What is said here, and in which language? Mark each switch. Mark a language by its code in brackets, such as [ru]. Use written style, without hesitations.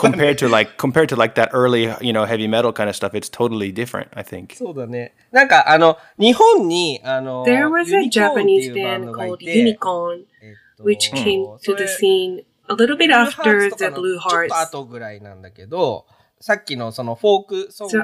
[en] compared to like that early, you know, heavy metal kind of stuff, it's totally different, I think. [ja] そうだね。なんかあの、日本にあの [en] There was a Japanese band called Unicorn, which came to the scene a little bit after the Blue Hearts. [ja] ちょっと後ぐらいなんだけど、さっきのそのフォークソング。So